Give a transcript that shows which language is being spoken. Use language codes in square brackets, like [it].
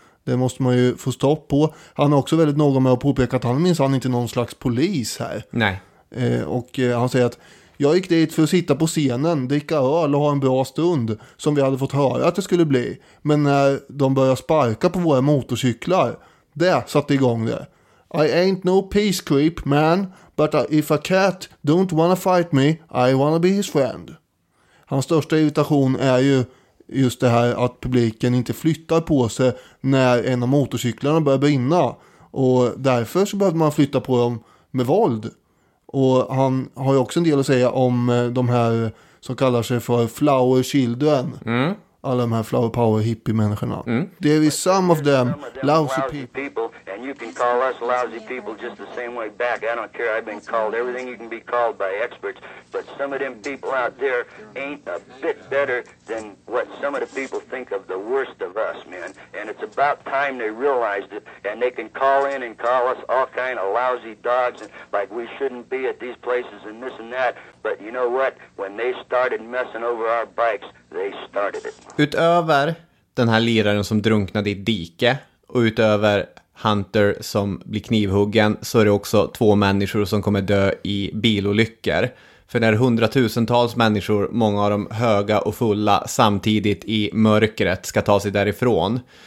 [sv] Det måste man ju få stopp på. Han är också väldigt noga med att påpeka att han minns han inte någon slags polis här. Nej. Och han säger att jag gick dit för att sitta på scenen, dricka öl och ha en bra stund, som vi hade fått höra att det skulle bli. Men när de började sparka på våra motorcyklar, det satte igång det. [en] I ain't no peace creep, man, but if a cat don't wanna fight me, I wanna be his friend. [sv] Hans största irritation är ju just det här att publiken inte flyttar på sig när en av motorcyklarna börjar brinna. Och därför så behövde man flytta på dem med våld. Och han har ju också en del att säga om de här som kallar sig för Flower Children. Mm. Alla de här [en] flower power hippie [sv] människorna. Mm. [en] There is some of them lousy people and you can call us lousy people just the same way back. I don't care. I've been called everything you can be called by experts, but some of them people out there ain't a bit better than what some of the people think of the worst of us, man. And it's about time they realized it, and they can call in and call us all kind of lousy dogs and like we shouldn't be at these places and this and that. But you know what? When they started messing over our bikes, they started it. [sv] Utöver den här liraren som drunknade i dike och utöver Hunter som blir knivhuggen, så är det också två människor som kommer dö i bilolyckor. För när hundratusentals människor, många av dem höga och fulla, samtidigt i mörkret ska ta sig därifrån.